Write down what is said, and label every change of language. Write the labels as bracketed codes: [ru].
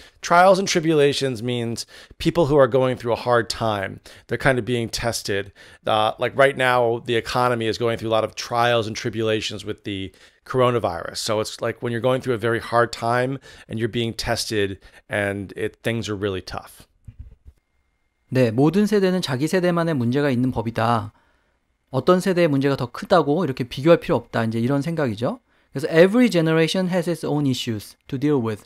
[en] Trials and tribulations means people who are going through a hard time. They're kind of being tested. Like right now, the economy is going through a lot of trials and tribulations with the coronavirus. So it's like when you're going through a very hard time and you're being tested and things are really tough. [ko] 네, 모든 세대는 자기 세대만의 문제가 있는 법이다. 어떤 세대의 문제가 더 크다고 이렇게 비교할 필요 없다. 이제 이런 생각이죠. 그래서 [en] every generation has its own issues to deal with.